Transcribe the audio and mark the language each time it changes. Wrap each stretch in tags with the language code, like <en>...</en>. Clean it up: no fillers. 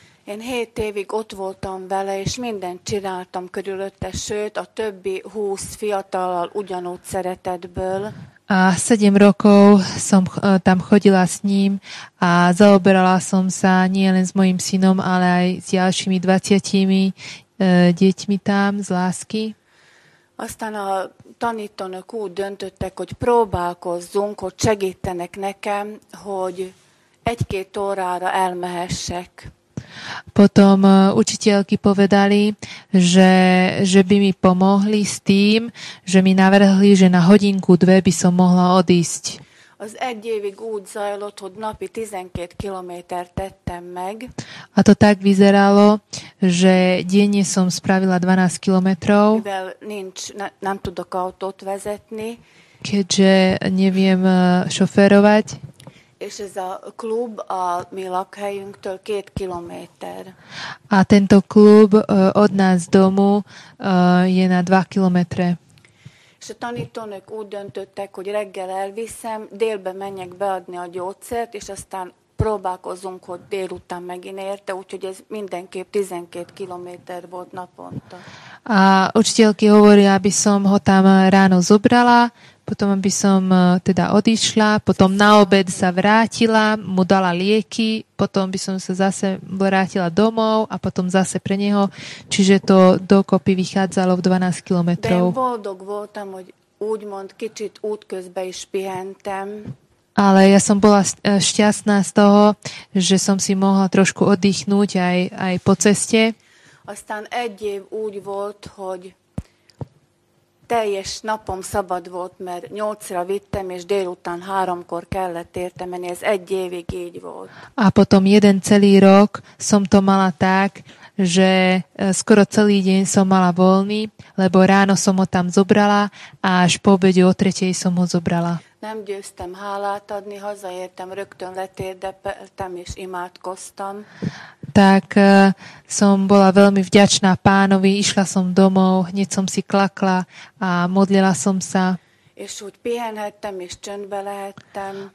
<hu>Én 7 évig ott voltam vele, és mindent csináltam körülötte, sőt, a többi 20 fiatallal ugyanúgy szeretetből.</hu> <sk>A 7 rokov som tam chodila s ním a zaoberala som sa nie len s mojim synom, ale aj s ďalšími 20 deťmi tam z lásky.</sk> <hu>Aztán a tanítónök úgy döntöttek, hogy próbálkozzunk, hogy segítenek nekem, hogy 1-2 órára elmehessek.</hu> <sk>Potom učiteľky povedali, že by mi pomohli s tým, že mi navrhli, že na hodinku dve by som mohla odísť.</sk> <hu>Az egy évig úgy zajlott, hogy napi 12 kilométer tettem meg.</hu> <sk>A to tak vyzeralo, že denne som spravila 12 kilometrov.</sk> <hu>Mivel nincs, nem tudok autót vezetni.</hu> <sk>Keďže neviem šoférovať.</sk> <hu>És ez a klub a mi lakhelyünktől 2 kilométer.</hu> <sk>A tento klub od nás domu je na 2 kilométre.</sk> <hu>És a tanítónök úgy döntöttek, hogy reggel elviszem, délbe menjek beadni a gyógyszert, és aztán próbálkozunk, hogy délután megint érte, úgyhogy ez mindenképp 12 kilométer volt naponta.</hu> <sk>A učiteľky hovorí, aby som ho tam ráno zobrala, potom by som teda odišla, potom na obed sa vrátila, mu dala lieky, potom by som sa zase vrátila domov a potom zase pre neho. Čiže to dokopy vychádzalo v 12 kilometrov.</sk> <hu>Den boldog voltam, hogy úgymond kicsit útközbe is pihentem.</hu> <sk>Ale ja som bola šťastná z toho, že som si mohla trošku oddychnúť aj po ceste.</sk> <hu>Aztán egy év úgy volt, hogy teljes napom szabad volt, mert 8-ra vittem, és délután 3-kor kellett érte menni. Ez egy évig így volt.</hu> <sk>A potom jeden celý rok som to mala tak, že skoro celý deň som mala voľný, lebo ráno som ho tam zobrala a až po obede o 3-tej som ho zobrala.</sk> <hu>Nem győztem hálát adni, hazaértem, rögtön letérdepeltem és imádkoztam.</hu> <sk>Tak som bola veľmi vďačná pánovi, išla som domov, hneď som si klakla a modlila som sa.</sk> <hu>És úgy pihenhettem és csöndbe lehettem.</hu>